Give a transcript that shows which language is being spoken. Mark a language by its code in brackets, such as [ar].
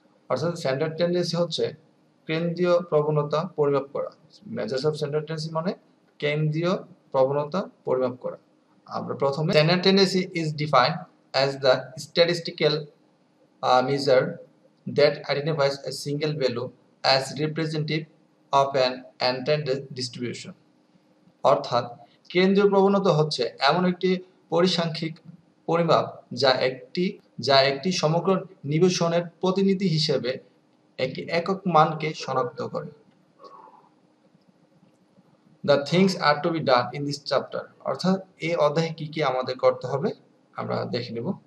[bn] অর্থাৎ standard tendency হচ্ছে কেন্দ্রীয় প্রবণতা পরিমাপ করা। [en] Measures of standard tendency [bn] মানে কেন্দ্রীয় প্রবণতা পরিমাপ করা। আমরা প্রথমে [en] standard tendency is defined as the statistical measure that identifies a single value as representative of an entire distribution. [bn] অর্থাৎ কেন্দ্রীয় প্রবণতা হচ্ছে এমন একটি পরিসাংখ্যিক পরিমাপ যা একটি সমগ্র নিবেশনের প্রতিনিধি হিসেবে একটি একক মানকে শনাক্ত করে। [en] the things are to be done in this chapter, [bn] অর্থাৎ এই অধ্যায়ে কি কি আমাদের করতে হবে আমরা দেখে নেব।